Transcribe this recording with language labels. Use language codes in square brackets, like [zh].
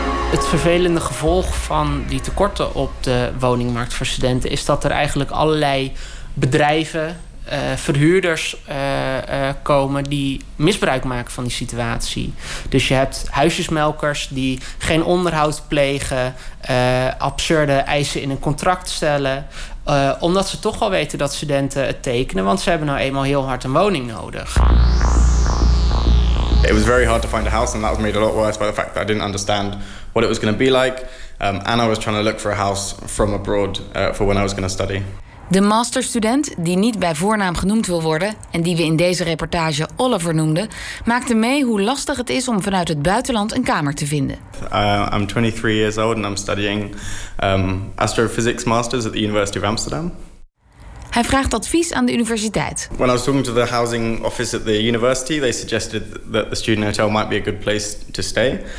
[nl] Het vervelende gevolg van die tekorten op de woningmarkt voor studenten is dat er eigenlijk allerlei bedrijven, verhuurders komen die misbruik maken van die situatie. Dus je hebt huisjesmelkers die geen onderhoud plegen, absurde eisen in een contract stellen. Omdat ze toch wel weten dat studenten het tekenen, want ze hebben nou eenmaal heel hard een woning nodig. [en] It was very hard to find a house and that was made a lot worse by the fact that I didn't understand what it was going to be like. And I was trying to look for a house from abroad for when I was going to study. [nl] De masterstudent, die niet bij voornaam genoemd wil worden en die we in deze reportage Oliver noemden, maakte mee hoe lastig het is om vanuit het buitenland een kamer te vinden. [en] I'm 23 years old and I'm studying astrophysics masters at the University of Amsterdam. [nl] Hij vraagt advies aan de universiteit. [en] When I was talking to the housing office at the university, they suggested that the student hotel might be a good place to stay.